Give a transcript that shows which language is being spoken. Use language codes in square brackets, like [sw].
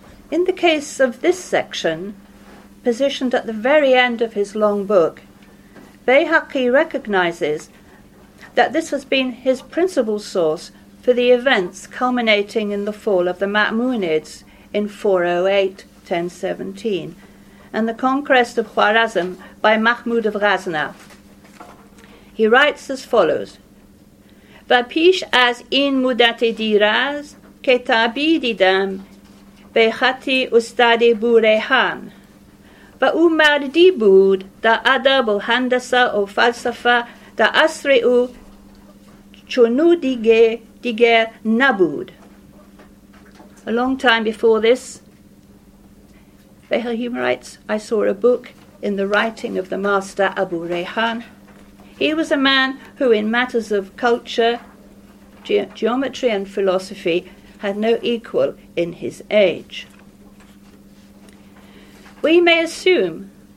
[en] In the case of this section, positioned at the very end of his long book, Behaki recognizes that this has been his principal source for the events culminating in the fall of the Ma'munids in 408-1017 and the conquest of Khwarazm by Mahmud of Ghazna. He writes as follows: [fa] و پیش از این مدت دیراز کتابی دیدم به خط استاد بوریحان و او مردی بود در ادب و هندسه و فلسفه در عصر او چونو دیگر نبود. [en] A long time before this, Behaim writes, I saw a book in the writing of the master Abu Rehan. He was a man who in matters of culture, geometry and philosophy had no equal in his age. We may assume